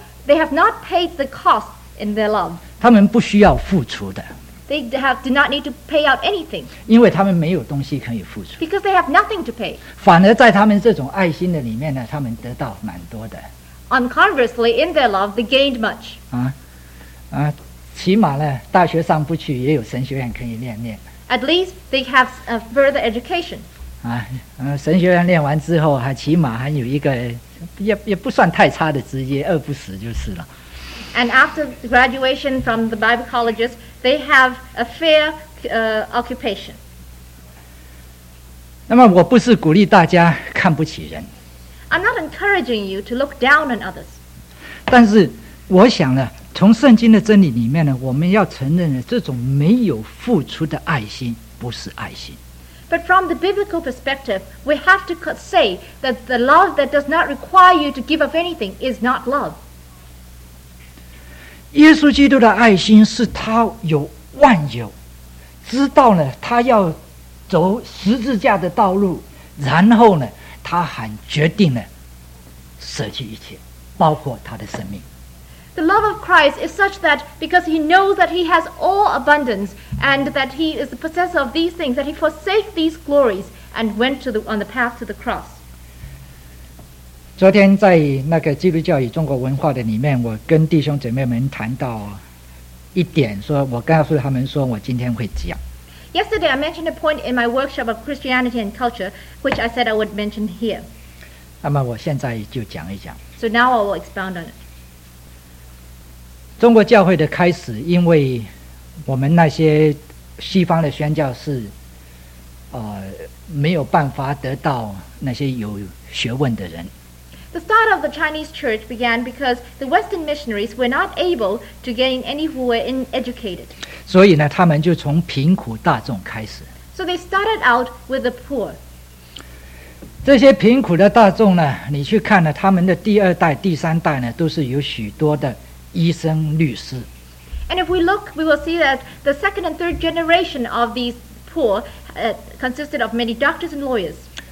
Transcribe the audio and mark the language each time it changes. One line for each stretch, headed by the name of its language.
English: They have not paid the cost in their love.
Chinese: 他们不需要付出的。
English: They do not need to pay out anything.
Chinese: 因为他们没有东西可以付出。
English: Because they have nothing to pay.
Chinese: 反而在他们这种爱心的里面呢，他们得到蛮多的。
English: On conversely, in their love, they gained much.
Chinese: 起码呢，大学上不去，也有神学院可以练练。
English: At least they have a further education.
Chinese: 神学院练完之后，还起码还有一个也不算太差的职业，饿不死就是了。
English: And after graduation from the Bible colleges, they have a fair occupation.
Chinese: 那么我不是鼓励大家看不起人。
English: I'm not encouraging you to look down on others.
Chinese: 但是我想呢，从圣经的真理里面呢，我们要承认呢，这种没有付出的爱心不是爱心。
English: But from the biblical perspective, we have to say that the love that does not require you to give up anything is not love.
Chinese: 耶稣基督的爱心是他有万有，知道呢他要走十字架的道路，然后呢他还决定呢舍弃一切，包括他的生命。
English: The love of Christ is such that because he knows that he has all abundance and that he is the possessor of these things, that he forsake these glories and went on the path to the cross.
Chinese: 昨天在那个基督教与中国文化的里面，我跟弟兄姐妹们谈到一点，说我告诉他们说我今天会讲。
English: Yesterday I mentioned a point in my workshop of Christianity and culture, which I said I would mention here.
Chinese: 那么我现在就讲一讲。
English: So now I will expound on it.
Chinese: 中国教会的开始，因为我们那些西方的宣教士，没有办法得到那些有学问的人。
English: The start of the Chinese church began because the Western missionaries were not able to gain any who were educated.
Chinese: 所以呢，他们就从贫苦大众开始。
English: So they started out with the poor.
Chinese: 这些贫苦的大众呢，你去看呢，他们的第二代、第三代呢，都是有许多的医生、律师。
English: And if we look, we will see that the second and third generation of these poor consisted of many doctors and lawyers.